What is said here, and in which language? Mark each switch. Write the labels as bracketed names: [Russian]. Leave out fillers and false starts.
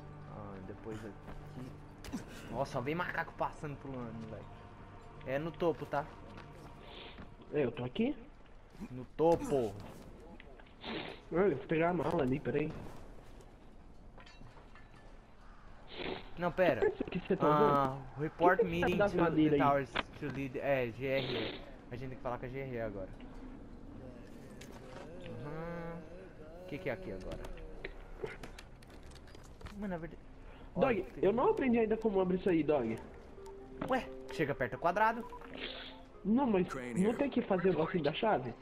[Portuguese] Ah, depois aqui. Nossa, vem macaco passando pulando, velho. É no topo, tá? Eu tô aqui? No topo! Eu vou pegar a mala ali, peraí. Não, pera. [English] Report meeting to the towers to lead. [Portuguese] É, GR. A gente tem que falar com a GR agora. Uhum. Que é aqui agora? Mano, na verdade. Dog, eu não aprendi ainda como abrir isso aí, dog. Ué, chega perto do quadrado. Não, mas não tem que fazer o negócio da chave?